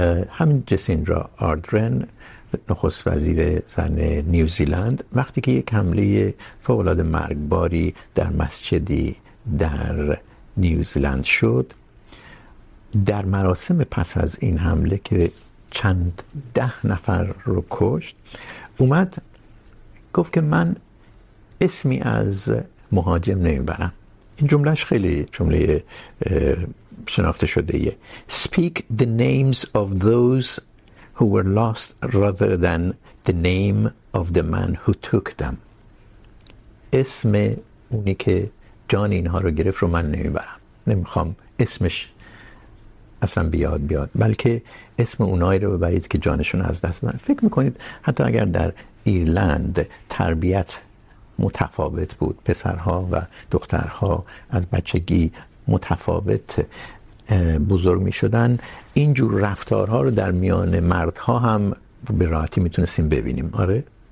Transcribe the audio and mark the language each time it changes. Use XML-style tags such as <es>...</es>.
<fa>همین جسیندا آردرن، نخست وزیر زن نیوزیلند، وقتی که یک حمله فوق‌العاده مرگباری در مسجدی در نیوزیلند شد، در مراسم پس از این حمله که چند ده نفر رو کشت، اومد گفت که من اسمی از مهاجم نمیبرم. این جملهش خیلی جمله شناخته شده ایه.</fa> <en>Speak the names of those who were lost rather than the name of the man who took them.</en> <fa>اسم اونی که جان اینها رو گرفت رو من نمیبرم، نمیخوام اسمش اصلا بیاد بیاد، بلکه اسم اونایی رو ببرید که جانشون از دست دادن. فکر میکنید حتی اگر در ایرلند تربیت متفاوت بود، پسرها و دخترها از بچگی متفاوت بزرگ می شدن، اینجور رفتارها رو در میان مردها هم به راحتی می تونستیم ببینیم؟ آره؟</fa>